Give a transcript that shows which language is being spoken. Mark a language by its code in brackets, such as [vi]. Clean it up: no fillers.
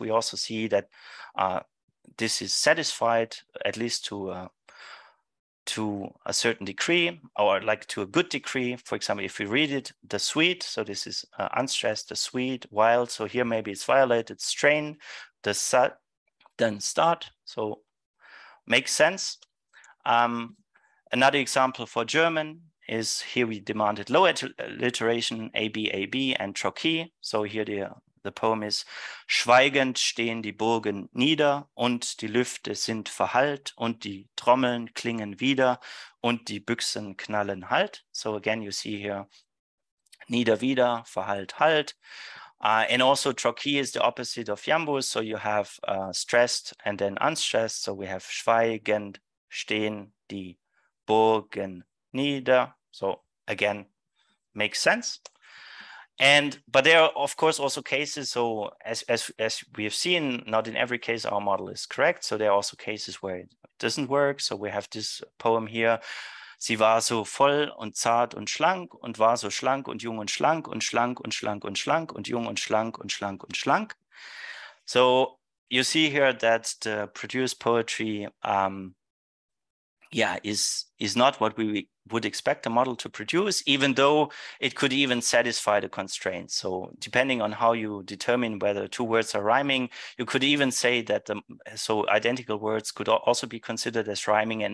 [en] We also see that this is satisfied at least to a certain degree, or like to a good degree. For example, if we read it, the sweet, so this is unstressed, the sweet, wild, so here maybe it's violated, strain, the then start, so makes sense. Another example for German is here we demanded low alliteration, ABAB and trochee, so here the poem is, [de] "Schweigend stehen die Burgen nieder und die Lüfte sind verhallt und die Trommeln klingen wieder und die Büchsen knallen halt." [en] So again, you see here, nieder wieder, verhallt halt. And also trochee is the opposite of jambus. So you have stressed and then unstressed. So we have [de] schweigend stehen die Burgen nieder. [en] So again, makes sense. But there are of course also cases, so as we have seen, not in every case our model is correct, so there are also cases where it doesn't work. So we have this poem here, [de] "Sie war so voll und zart und schlank und war so schlank und jung und schlank und schlank und schlank und schlank und jung und schlank und schlank und schlank." [en] So you see here that the produced poetry is not what we would expect the model to produce, even though it could even satisfy the constraints. So depending on how you determine whether two words are rhyming, you could even say that so identical words could also be considered as rhyming.